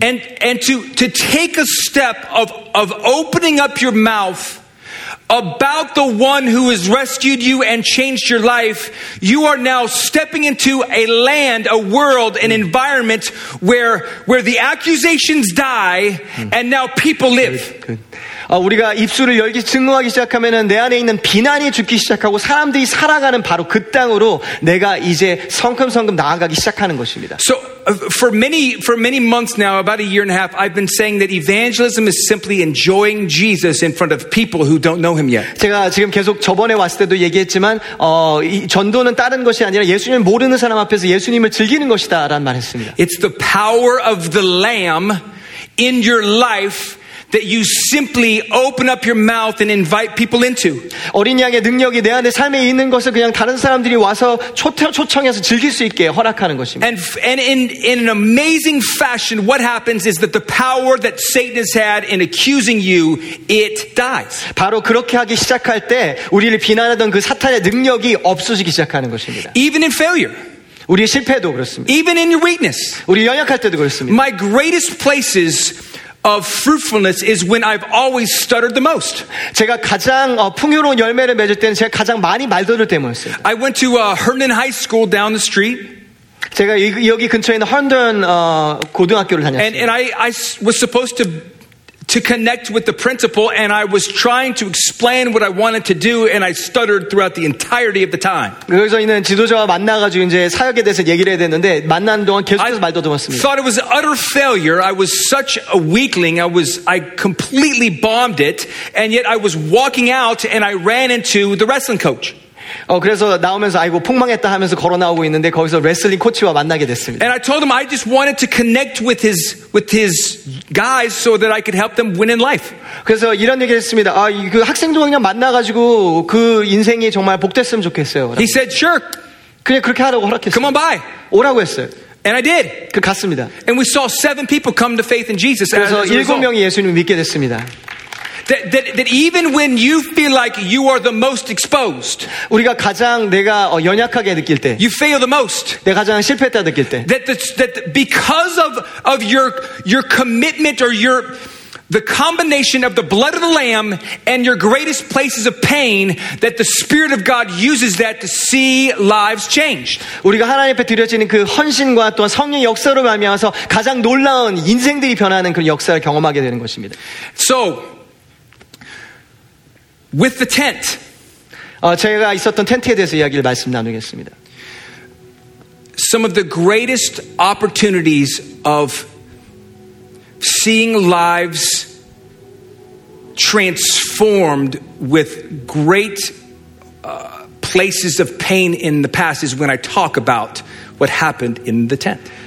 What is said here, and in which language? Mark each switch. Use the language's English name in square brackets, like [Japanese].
[English] And to take a step of opening up your mouth about the one who has rescued you and changed your life, you are now stepping into a land, a world, an environment where the accusations die and now people live. Good. [Korean] 우리가 입술을 열기 증거하기 시작하면은 내 안에 있는 비난이 죽기 시작하고 사람들이 살아가는 바로 그 땅으로 내가 이제 성큼성큼 나아가기 시작하는 것입니다. [English] So for many months now, about a year and a half, I've been saying that evangelism is simply enjoying Jesus in front of people who don't know him yet. [Korean] 제가 지금 계속 저번에 왔을 때도 얘기했지만 전도는 다른 것이 아니라 예수님을 모르는 사람 앞에서 예수님을 즐기는 것이다라는 말했습니다. [English] It's the power of the Lamb in your life that you simply open up your mouth and invite people into. [Korean] 어린 양의 능력이 내 안에 삶에 있는 것을 그냥 다른 사람들이 와서 초청해서 즐길 수 있게 허락하는 것입니다. [English] And in an amazing fashion, what happens is that the power that Satan has had in accusing you, it dies. [Korean] 바로 그렇게 하기 시작할 때 우리를 비난하던 그 사탄의 능력이 없어지기 시작하는 것입니다. [English] Even in failure. [Korean] 우리의 실패도 그렇습니다. [English] Even in your weakness. [Korean] 우리 연약할 때도 그렇습니다. [English] My greatest places of fruitfulness is when I've always stuttered the most. [Korean] 제가 가장 풍요로운 열매를 맺을 때는 제가 가장 많이 말더듬을 때였습니다. [English] I went to Herndon High School down the street. [Korean] 제가 여기 근처에 있는 Herndon 고등학교를 다녔습니다. [English] And I was supposed to to connect with the principal, and I was trying to explain what I wanted to do, and I stuttered throughout the entirety of the time. [Korean] 그래서 이는 지도자와 만나가지고 이제 사역에 대해서 얘기를 해야 되는데 만나는 동안 계속해서 말 더듬었습니다. [English] I thought it was utter failure. I was such a weakling. I completely bombed it, and yet I was walking out, and I ran into the wrestling coach. [Korean] 그래서 나오면서 아이고 폭망했다 하면서 걸어 나오고 있는데 거기서 레슬링 코치와 만나게 됐습니다. [English] And I told him I just wanted to connect with his guys so that I could help them win in life. [Korean] 그래서 이런 얘기를 했습니다. 아, 그 학생도 그냥 만나 가지고 그 인생이 정말 복됐으면 좋겠어요. [English] He said sure. [Korean] 그냥 그렇게 하라고 허락했어요. [English] Come on by. [Korean] 오라고 했어요. [English] And I did. [Korean] 그 갔습니다. [English] And we saw seven people come to faith in Jesus. [Korean] 그래서 일곱 명이 예수님을 믿게 됐습니다. [English] That even when you feel like you are the most exposed, [Korean] 우리가 가장 내가 연약하게 느낄 때, [English] you fail the most. [Korean] 내가 가장 실패했다 느낄 때, [English] that because of your commitment or your the combination of the blood of the lamb and your greatest places of pain, that the Spirit of God uses that to see lives changed. [Korean] 우리가 하나님 앞에 드려지는 그 헌신과 또한 성령의 역사로 말미암아서 가장 놀라운 인생들이 변하는 그런 역사를 경험하게 되는 것입니다. [English] So. With the tent, [Korean] 제가 있었던 텐트에 대해서 이야기를 말씀 나누겠습니다. [English] Some of the greatest opportunities of seeing lives transformed with great places of pain in the past is when I talk about what happened in the tent.